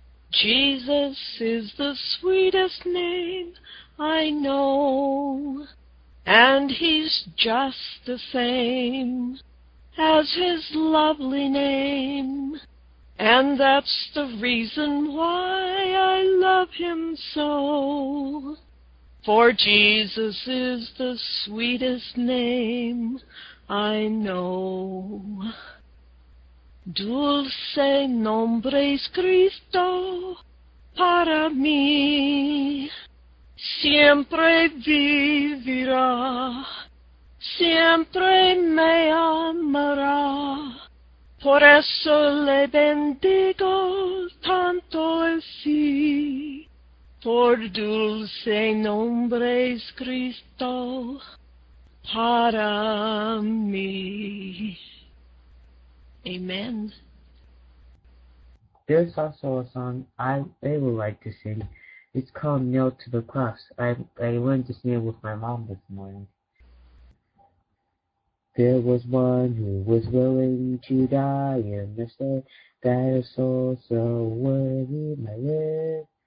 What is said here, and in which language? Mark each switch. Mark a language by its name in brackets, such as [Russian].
[English] Jesus is the sweetest name I know, and He's just the same as His lovely name, and that's the reason why I love Him so. For Jesus is the sweetest name I know. [Spanish] Dulce nombre es Cristo para mí. Siempre vivirá, siempre me amará. Por eso le bendigo tanto así, por dulce nombre es Cristo para mí. [English] Amen. There's also a song I would like to sing. It's called Nailed to the Cross. I learned to sing it with my mom this morning. There was one who was willing to die in the state that a soul so worthy might live.